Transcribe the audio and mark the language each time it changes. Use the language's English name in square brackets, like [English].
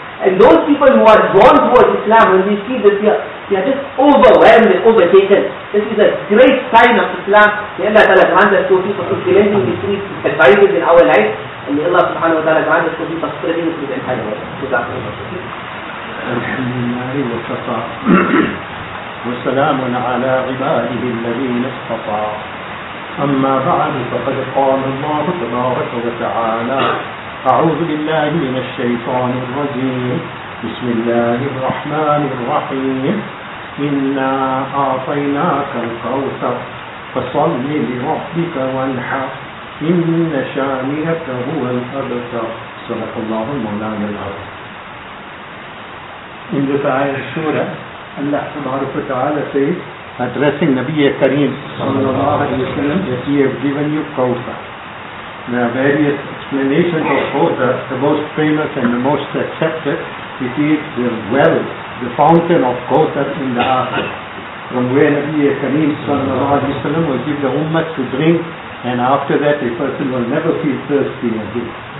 [English] And those people who are drawn towards Islam, when they see this fear, they are just overwhelmed and overtaken. This is a great sign of Islam. May Allah Ta'ala grant us tawfiq for implementing these three advices in our life. And may Allah Subhanahu wa Ta'ala grant us tawfiq for spreading it to the entire world. [Arabic] الحمد لله وكفى وسلام على عباده الذين اصطفى أما بعد فقد قال الله تبارك وتعالى أعوذ بالله من الشيطان الرجيم بسم الله الرحمن الرحيم إنا أعطيناك الكوثر فصل لربك وانحر إن شانئك هو الأبتر صدق الله مولانا العظيم. [English] In this ayah surah, Allah subhanahu wa ta'ala says, addressing Nabi Kareem sallallahu alayhi wa sallam, that he has given you Kawthar. There are various explanations of Kawthar. The most famous and the most accepted, it is the well, the fountain of Kawthar in the akhirah, from where Nabi Kareem sallallahu alayhi wa sallam will give the ummah to drink, and after that a person will never feel thirsty again.